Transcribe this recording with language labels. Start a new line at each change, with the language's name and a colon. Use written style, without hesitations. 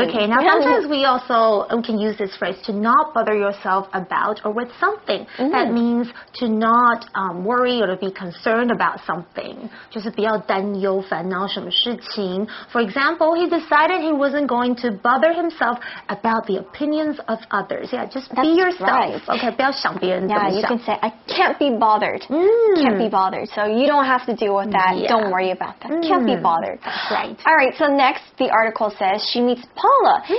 English: Okay, now sometimes we also can use this phrase to not bother yourself about or with something. That means to not worry or to be concerned about something.
Chinese: 就是不要担忧烦恼什么事情。
English: For example, he decided he wasn't going to bother himself about the opinions of others. Yeah, just That's be yourself. Right.
Chinese: Okay, 不要想别人怎么
English: Yeah, you can say, I can't be bothered. Can't be bothered. So you don't have to deal with that. Yeah. Don't worry about that. Can't be bothered. Right. All right, so next the article says she meets Paula.